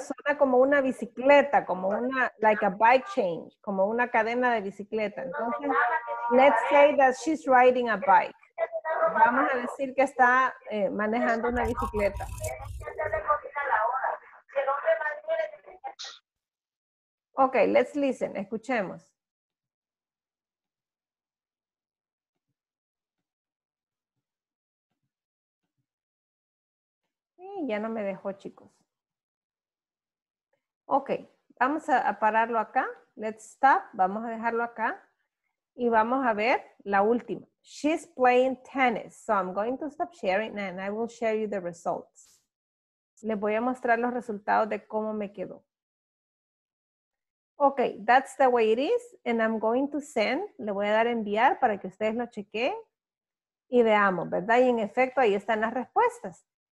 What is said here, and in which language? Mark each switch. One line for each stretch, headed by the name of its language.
Spanish: Suena como una bicicleta, como una,
English: like a bike change,
Spanish: como una cadena de bicicleta.
English: Entonces, let's say that she's riding a bike.
Spanish: Vamos a decir que está manejando una bicicleta.
English: Okay, let's listen,
Spanish: escuchemos. Ya no me dejó, chicos. Ok, vamos a pararlo acá.
English: Let's stop.
Spanish: Vamos a dejarlo acá. Y vamos a ver la última.
English: She's playing tennis. So I'm going to stop sharing and I will share you the results.
Spanish: Les voy a mostrar los resultados de cómo me quedó.
English: Ok, that's the way it is. And I'm going to send.
Spanish: Le voy a dar enviar para que ustedes lo chequeen. Y veamos, ¿verdad? Y en efecto, ahí están las respuestas.